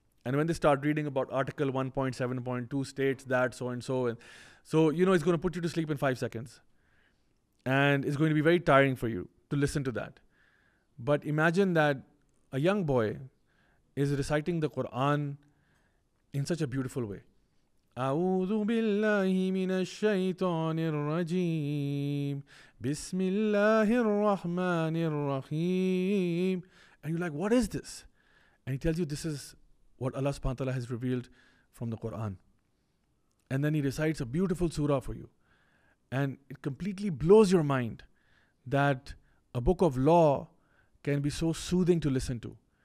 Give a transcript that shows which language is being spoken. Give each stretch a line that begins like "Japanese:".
English: And when they start reading about Article 1.7.2 states that so and so, and so, you know, it's going to put you to sleep in 5 seconds. And it's going to be very tiring for you to listen to that. But imagine that a young boy is reciting the Quran in such a beautiful way.
Arabic: أعوذ بالله من الشيطان الرجيم بسم الله الرحمن الرحيم.
English: And you're like, what is this? And he tells you, this is what Allah subhanahu wa ta'ala has revealed from the Quran. And then he recites a beautiful surah for you. And it completely blows your mind that a book of law can be so soothing to listen to.